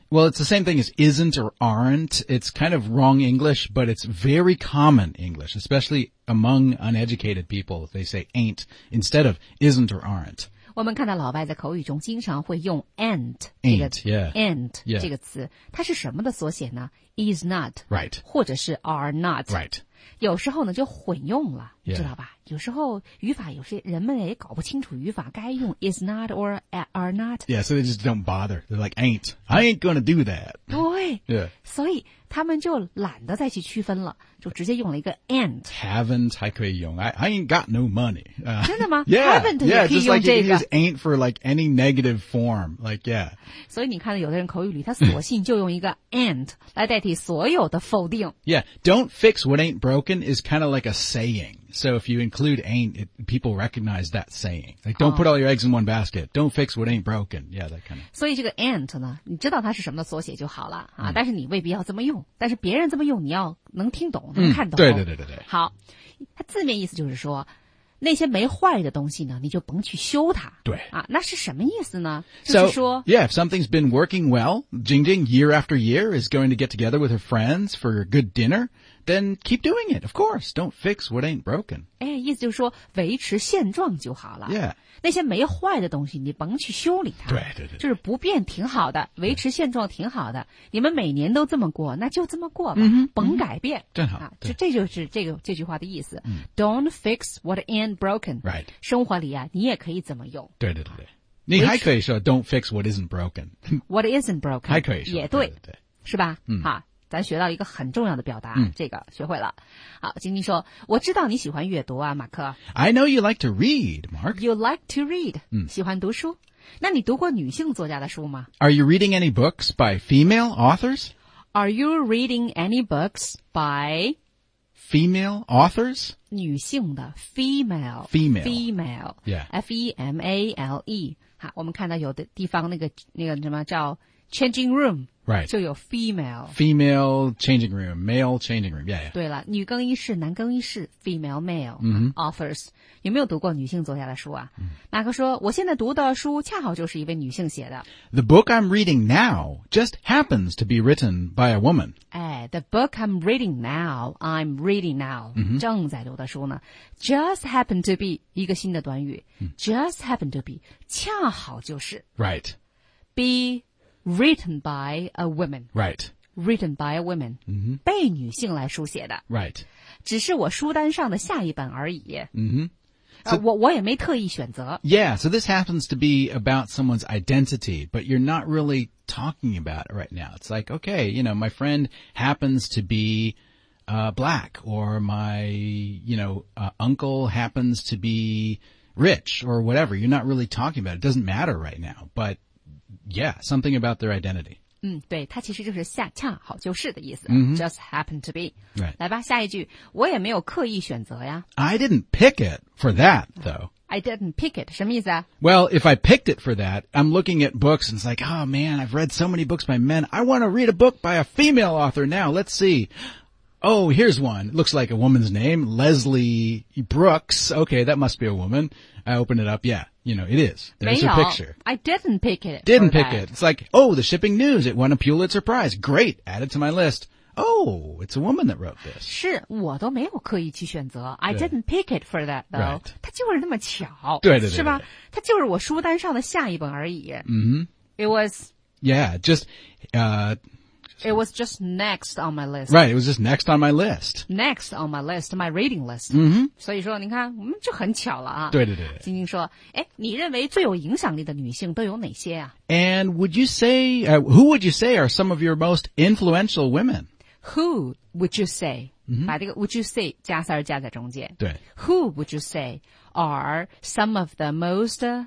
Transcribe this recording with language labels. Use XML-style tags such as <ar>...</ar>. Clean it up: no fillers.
<en>Well, it's the same thing as isn't or aren't. It's kind of wrong English, but it's very common English, especially among uneducated people. They say ain't instead of isn't or aren't.</en> <zh>我们看到老外在口语中经常会用</zh> <en>ain't,</en> <zh>这个</zh> <en>ain't, yeah,</en> <zh>ain't, yeah. 这个词。它是什么的缩写呢?</zh> <en>Is not, right.</en> <zh>或者是 are not.</zh> <en>Right.</en> <zh>有时候呢就混用了、</zh> <en>yeah.</en> <zh>知道吧有时候语法有些人们也搞不清楚语法该用</zh> <en>is not or are not. Yeah, so they just don't bother. They're like, ain't. I ain't gonna do that.</en> <zh>对、</zh> <en>yeah.</en> <zh>所以他们就懒得再去区分了就直接用了一个 ain't.</zh> <en>Haven't</en> <zh>还可以用</zh> <en>I ain't got no money.、</en> <zh>真的吗</zh> <en>yeah,</en> <zh>haven't 也可以用这个。</zh> <en>Yeah, just like you can use ain't for like any negative form. Like, yeah.</en> <zh>所以你看有的人口语里他索性就用一个 ain't 来代替所有的否定。</zh> <en>Yeah, don't fix what ain't broken is kind of like a saying. So if you include ain't, it, people recognize that saying. Like, don't、oh. put all your eggs in one basket. Don't fix what ain't broken. Yeah, that kind of.</en> <zh>所以这个 ain't 呢你知道它是什么的缩写就好了、啊 mm. 但是你未必要这么用。但是别人这么用你要能听懂能看懂、对对对对对好它字面意思就是说那些没坏的东西呢你就甭去修它对啊，那是什么意思呢</zh> <en>so,</en> <zh>就是说</zh> <en>yeah if something's been working well Jing Jing year after year is going to get together with her friends for a good dinner then keep doing it of course don't fix what ain't broken</en> <zh>哎，意思就是说维持现状就好了</zh> <en>yeah</en> <zh>那些没坏的东西你甭去修理它对对 对就是不变挺好的维持现状挺好的你们每年都这么过那就这么过吧、 mm-hmm, 甭改变正好、啊、就这就是这个这句话的意思、 mm-hmm.</zh> <en>don't fix what ain't broken right</en> <zh>生活里啊你也可以怎么用对对 对, 对你还可以说</zh> <en>don't fix what isn't broken what isn't broken</en> <zh>还可以说也对, 对, 对, 对是吧、 mm-hmm. 好咱学到一个很重要的表达、嗯、这个学会了。好晶晶说我知道你喜欢阅读啊马克。</zh> <en>I know you like to read, Mark. You like to read,、</en> <zh>嗯、喜欢读书。那你读过女性作家的书吗</zh> <en>?Are you reading any books by female authors? Are you reading any books by female authors?</en> <zh>女性的 female.</zh> <en>Female. Female. Yeah.</en> <zh>F-E-M-A-L-E. 好我们看到有的地方那个什么叫Changing room.</zh> <en>Right.</en> <zh>就有 female.</zh> <en>Female changing room. Male changing room. Yeah, yeah.</en> <zh>对了女更衣室男更衣室 female, male,、 mm-hmm.</zh> <en>authors.</en> <zh>有没有读过女性作家的书啊、 mm. 马克说我现在读的书恰好就是一位女性写的。</zh> <en>The book I'm reading now just happens to be written by a woman. 哎 ,the book I'm reading now,、 mm-hmm.</en> <zh>正在读的书呢 ,</zh> <en>just happen to be,</en> <zh>一个新的短语、 mm. ,just happen to be, 恰好就是。</zh> <en>Right. Be,Written by a woman. Right. Written by a woman.、 Mm-hmm.</en> <zh>被女性来书写的。</zh> <en>Right.</en> <zh>只是我书单上的下一本而已。 Mm-hmm. So, 我也没特意选择。</zh> <en>Yeah, so this happens to be about someone's identity, but you're not really talking about it right now. It's like, okay, you know, my friend happens to be... black, or my, you know,、uncle happens to be rich, or whatever. You're not really talking about it. It doesn't matter right now, but... Yeah, something about their identity.</en> <zh>嗯，对，它其实就是下恰好就是的意思、 mm-hmm.</zh> <en>，just happen to be. Right.</en> <zh>来吧，下一句，我也没有刻意选择呀。</zh> <en>I didn't pick it for that, though. I didn't pick it.</en> <zh>什么意思啊</zh> <en>？Well, if I picked it for that, I'm looking at books and it's like, oh man, I've read so many books by men. I want to read a book by a female author now. Let's see. Oh, here's one. It looks like a woman's name, Leslie Brooks. Okay, that must be a woman. I open it up. Yeah. You know, it is. There's her picture. I didn't pick it. Didn't pick it. It's like, oh, the shipping news. It won a Pulitzer Prize. Great. Add it to my list. Oh, it's a woman that wrote this.</en> <zh>是我都没有刻意去选择。</zh> <en>I didn't pick it for that, though.</en> <zh>它就是那么巧。对对对。是吧它就是我书单上的下一本而已。 Mm-hmm.</zh> <en>It was... Yeah, just... It was just next on my list. Right, it was just next on my list. Next on my list, my reading list.</en> <zh>嗯哼。所以说你看我们就很巧了啊。对对对。晶晶说诶你认为最有影响力的女性都有哪些啊</zh> <en>?And would you say,、who would you say are some of your most influential women? Who would you say?、 Mm-hmm.</en> <zh>把这个 would you say 加塞儿加在中间。对。</zh> <en>Who would you say are some of the most</en>